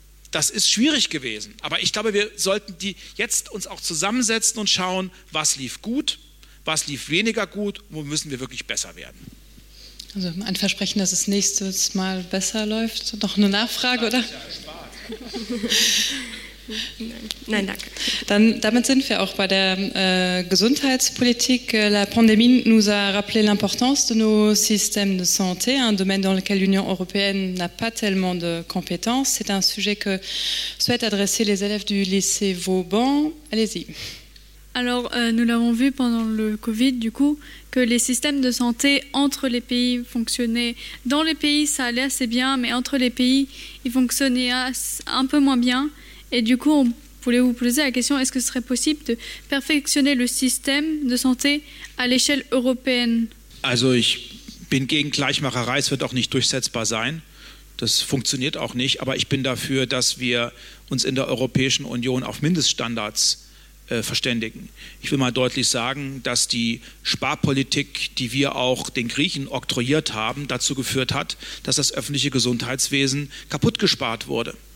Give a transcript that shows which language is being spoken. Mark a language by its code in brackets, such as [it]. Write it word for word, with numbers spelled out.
[de] Das ist schwierig gewesen. Aber ich glaube, wir sollten die jetzt uns auch zusammensetzen und schauen, was lief gut, was lief weniger gut, wo müssen wir wirklich besser werden. Also ein Versprechen, dass es nächstes Mal besser läuft. Noch eine Nachfrage, oder? Nein. Nein, danke. Dann, damit sind wir auch bei der äh, Gesundheitspolitik. [fr] La pandémie nous a rappelé l'importance de nos systèmes de santé, un domaine dans lequel l'Union européenne n'a pas tellement de compétences. C'est un sujet que souhaitent adresser les élèves du lycée Vauban. Allez-y. Alors, euh, nous l'avons vu pendant le Covid, du coup, que les systèmes de santé entre les pays fonctionnaient. Dans les pays, ça allait assez bien, mais entre les pays, ils fonctionnaient un peu moins bien. Et du coup, on voulait vous poser la question, est-ce que ce serait possible de perfectionner le système de santé à l'échelle européenne? [de] Also ich bin gegen Gleichmacherei, es wird auch nicht durchsetzbar sein. Das funktioniert auch nicht, aber ich bin dafür, dass wir uns in der Europäischen Union auf Mindeststandards äh, verständigen. Ich will mal deutlich sagen, dass die Sparpolitik, die wir auch den Griechen oktroyiert haben, dazu geführt hat, dass das öffentliche Gesundheitswesen kaputt gespart wurde.